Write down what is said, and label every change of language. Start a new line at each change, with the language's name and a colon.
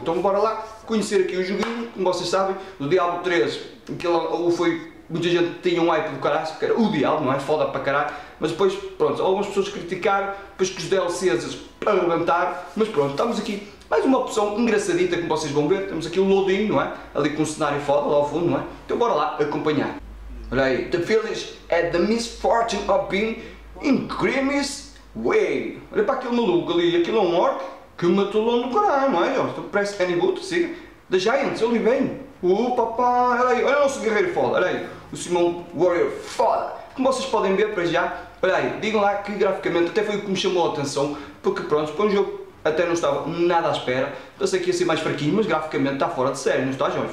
Portuguese: Então bora lá conhecer aqui o joguinho, como vocês sabem, do Diablo 3, que foi, muita gente tinha um hype do caralho, porque era o Diablo, não é? Foda para caralho. Mas depois, pronto, algumas pessoas criticaram, depois que os DLCs para levantar, mas pronto, estamos aqui. Mais uma opção engraçadita, como vocês vão ver, temos aqui o loading, não é? Ali com um cenário foda, lá ao fundo, não é? Então bora lá acompanhar. Olha aí.
English: The village had the misfortune of being in Grimmy's way.
Portuguese: Olha para aquele maluco ali, aquilo é um orc que matou-lhe no caralho, não é? Então
English: press any button,
Portuguese: siga.
English: The giants,
Portuguese: eu lhe venho. Opa, olha aí, olha o nosso guerreiro foda, olha aí. O Simon Warrior foda. Como vocês podem ver para já, olha aí, digam lá que graficamente até foi o que me chamou a atenção, porque pronto, para um jogo até não estava nada à espera, pensei que ia ser mais fraquinho, mas graficamente está fora de série, não está, jovens?